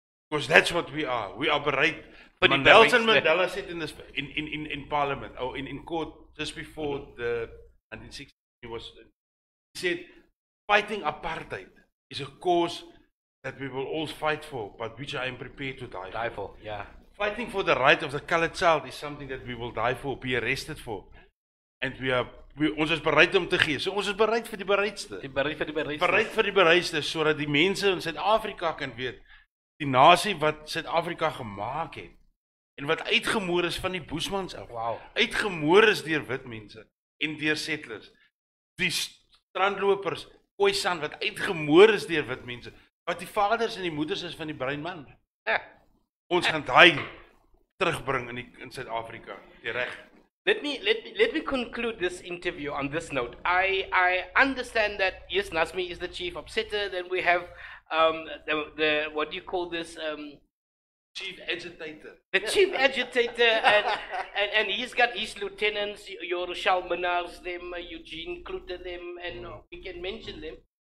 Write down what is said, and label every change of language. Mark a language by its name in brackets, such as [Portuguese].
[English] Because that's what we are. We operate. But Nelson Mandela said in this in Parliament or in court just before the 1960s, he said fighting apartheid is a cause that we will all fight for, but which I am prepared to die for. Die for, yeah. Fighting for the right of the colored child is something that we will die for, be arrested for. [Afrikaans] And ons is bereid om te gee. So ons is bereid vir die bereidste. Bereid vir die bereidste, sodat die mense in Suid-Afrika kan weet, die nasie wat Suid-Afrika gemaak het, en wat uitgemoor is van die Boesmans af, wow. Uitgemoor is deur wit mense, en deur settlers, die strandlopers, Khoisan, wat uitgemoor is deur wit mense, wat die vaders en die moeders is van die bruin man. Ons gaan daai terugbring in Suid-Afrika, die reg. [English] Let me conclude this interview on this note. I understand that yes, Nasmi is the chief upsetter. Then we have the what do you call this? Chief agitator. The chief agitator and he's got his lieutenants, Yorushal Menars them, Eugene Klute them, and we can mention them.